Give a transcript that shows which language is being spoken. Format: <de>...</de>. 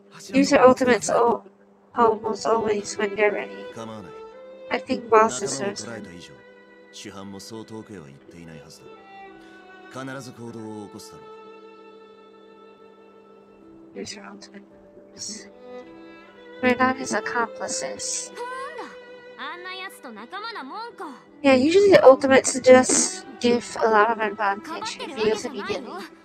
<en>Use your ultimates almost always when they're ready.</en> <ja>構わない。</ja> <en>I think boss is so smart.</en> <ja>主犯もそう遠くへは行っていないはずだ。必ず行動を起こすだろう。</ja> <en>Use your ultimates. We're not his accomplices.</en> <ja>あんなやつと仲間なもんか。</ja> <en>Yeah, usually the ultimates just give a lot of advantage if you use immediately.</en>